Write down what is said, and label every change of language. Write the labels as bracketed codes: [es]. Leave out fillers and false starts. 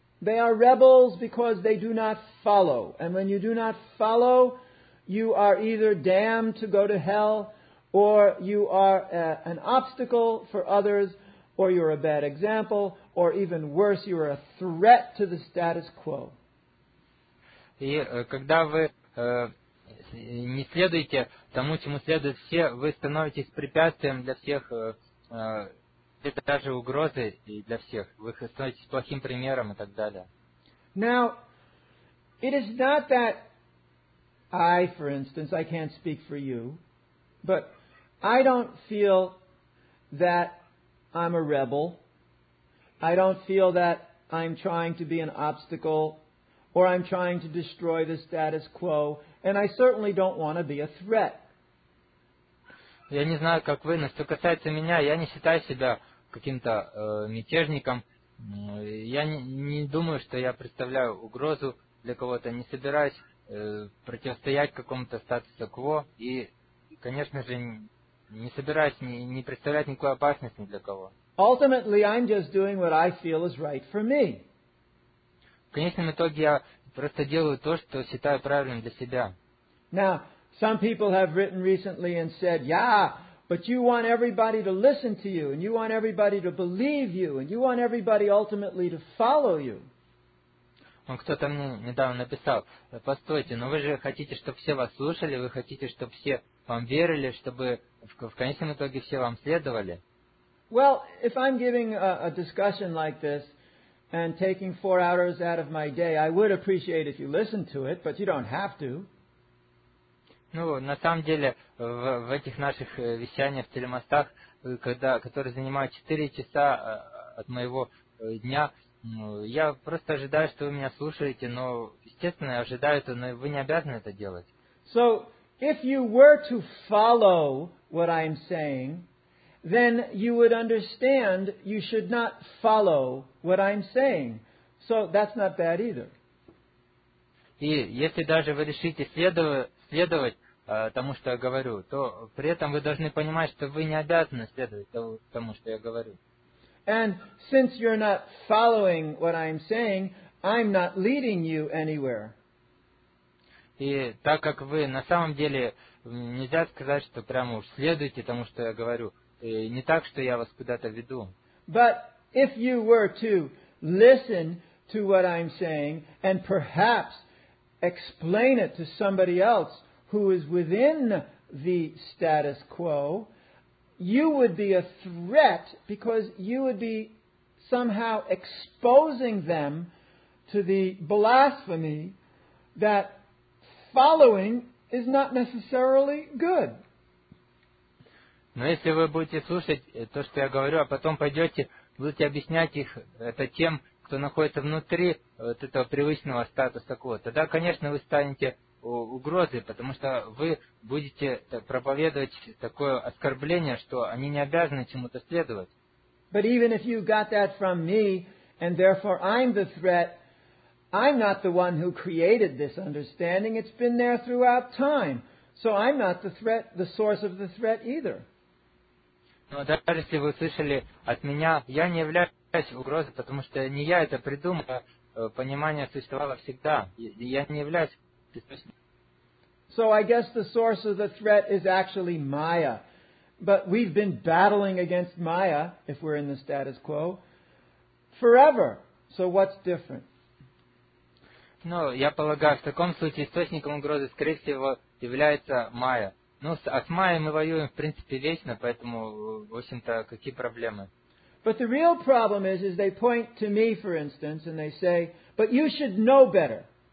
[en] They are rebels because they do not follow. And when you do not follow, you are either damned to go to hell, or you are an obstacle for others, or you're a bad example, or even worse, you are a threat to the status quo. [ru] И когда вы не следуете тому, чему следуют все, вы становитесь препятствием для всех, это даже угрозы для всех. Вы становитесь плохим примером и так далее. [en] Now, it is not that I, for instance, I can't speak for you, but I don't feel that I'm a rebel. I don't feel that I'm trying to be an obstacle or I'm trying to destroy the status quo, and I certainly don't want to be a threat. [ru] Я не знаю, как вы, но что касается меня, я не считаю себя каким-то мятежником. Я не думаю, что я представляю угрозу для кого-то, не собираюсь противостоять какому-то статусу quo, и, конечно же, не собираюсь не представлять никакой опасности ни для кого. [en] Ultimately, I'm just doing what I feel is right for me. [ru] В конечном итоге я просто делаю то, что считаю правильным для себя. [en] Now, some people have written recently and said, yeah, but you want everybody to listen to you, and you want everybody to believe you, and you want everybody ultimately to follow you. [ru] Кто-то мне недавно написал, постойте, но вы же хотите, чтобы все вас слушали, вы хотите, чтобы все вам верили, чтобы в конечном итоге все вам следовали. [en] Well, if I'm giving a discussion like this, and taking 4 hours out of my day, I would appreciate if you listened to it, but you don't have to. [ru] Ну, на самом деле, в этих наших вещаниях, в телемостах, которые занимают 4 часа от моего дня, я просто ожидаю, что вы меня слушаете, но, естественно, я ожидаю это, но вы не обязаны это делать. [en] So, if you were to follow what I'm saying, then you would understand you should not follow what I'm saying. So that's not bad either. [ru] И если даже вы решите следовать тому, что я говорю, то при этом вы должны понимать, что вы не обязаны следовать тому, что я говорю. [en] And since you're not following what I'm saying, I'm not leading you anywhere. [ru] И так как вы на самом деле нельзя сказать, что прямо уж следуйте тому, что я говорю, не так, что я вас куда-то веду. [en] But if you were to listen to what I'm saying and perhaps explain it to somebody else who is within the status quo, you would be a threat because you would be somehow exposing them to the blasphemy that following is not necessarily good. [ru] Но если вы будете слушать то, что я говорю, а потом пойдете, будете объяснять их это тем, кто находится внутри вот этого привычного статуса quo, тогда, конечно, вы станете угрозой, потому что вы будете проповедовать такое оскорбление, что они не обязаны чему-то следовать. [en] But even if you got that from me, and therefore I'm the threat, I'm not the one who created this understanding. It's been there throughout time. So I'm not the threat, the source of the threat either. [ru] Но даже если вы слышали от меня, я не являюсь угрозой, потому что не я это придумал, понимание существовало всегда. Я не являюсь источником. [en] So I guess the source of the threat is actually Maya. But we've been battling against Maya, if we're in the status quo, forever. So what's different? [ru] Ну, я полагаю, в таком случае источником угрозы, скорее всего, является Майя. Ну, а с Майей мы воюем, в принципе, вечно, поэтому, в общем-то, какие проблемы? [en] But the real problem is they point to me, for instance, and they say, but you should know better.